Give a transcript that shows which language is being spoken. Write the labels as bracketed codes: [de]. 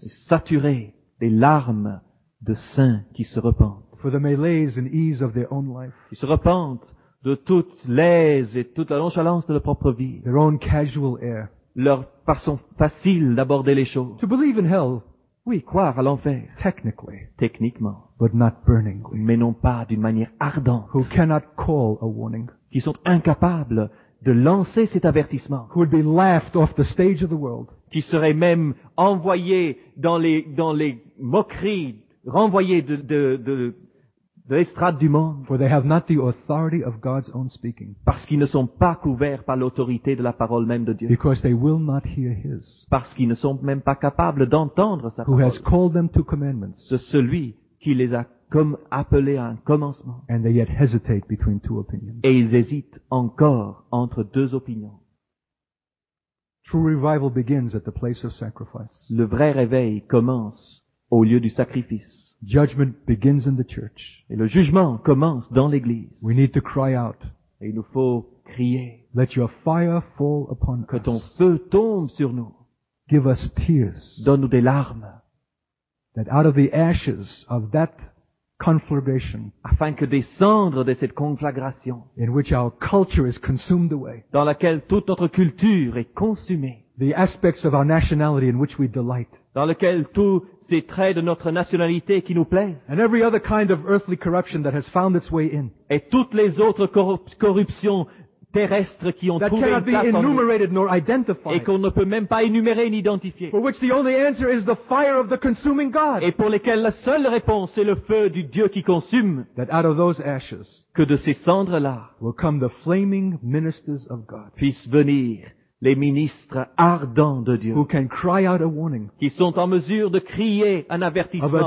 [fr] Et saturé des larmes de saints qui se repentent. [en] For the malaise and ease of their own life. [fr] Ils se repentent de toute l'aise et toute la nonchalance de leur propre vie. [en] Their own casual air. [fr] Leur façon facile d'aborder les choses. [en] To believe in hell. [fr] Oui, croire à l'enfer. [en] Technically. [fr] Techniquement. [en] But not burningly. [fr] Mais non pas d'une manière ardente. [en] Who cannot call a warning. [fr] Qui sont incapables de lancer cet avertissement. [en] Who would be laughed off the stage of the world. [fr] Qui serait même envoyé dans les moqueries, renvoyé de l'estrade du monde. [en] For they have not the authority of God's own speaking. [fr] Parce qu'ils ne sont pas couverts par l'autorité de la parole même de Dieu. [en] Because they will not hear his. [fr] Parce qu'ils ne sont même pas capables d'entendre sa parole. [en] Who has called them to commandments. [fr] De celui qui les a comme appelés à un commencement. [en] And they yet hesitate between two opinions. [fr] Et ils hésitent encore entre deux opinions. [en] True revival begins at the place of sacrifice. [fr] Le vrai réveil commence au lieu du sacrifice. [en] Judgment begins in the church. [fr] Et le jugement commence dans l'église. [en] We need to cry out. [fr] Et il nous faut crier. [en] Let your fire fall upon us. [fr] Que ton feu tombe sur nous. [en] Give us tears. [fr] Donne-nous des larmes. [en] That out of the ashes of that conflagration. [fr] Afin que des cendres de cette conflagration. [en] In which our culture is consumed away. [fr] Dans laquelle toute notre culture est consumée. [en] The aspects of our nationality in which we delight. [fr] Dans lequel tous ces traits de notre nationalité qui nous plaisent. [en] And every other kind of earthly corruption that has found its way in. [fr] Et toutes les autres corruptions terrestres qui ont trouvé une place en nous. [en] Nor identified. [fr] Et qu'on ne peut même pas énumérer ni identifier. [en] For which the only answer is the fire of the consuming God. [fr] Et pour lesquelles la seule réponse est le feu du Dieu qui consume. [en] That out of those ashes. [fr] Que de ces cendres-là. [en] Will come the flaming ministers of God. [fr] Puissent venir les ministres ardents de Dieu [en] who can cry out a warning, [fr] qui sont en mesure de crier un avertissement